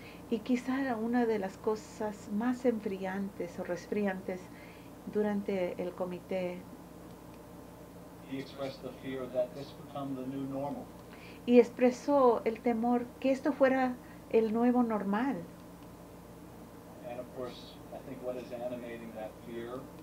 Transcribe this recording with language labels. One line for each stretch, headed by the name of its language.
Spanish: Y quizá una de las cosas más enfriantes o resfriantes durante el comité.
English: He expressed the fear that this become the new normal.
Spanish: Y expresó el temor que esto fuera el nuevo normal.
English: And of course, I think what is animating that fear,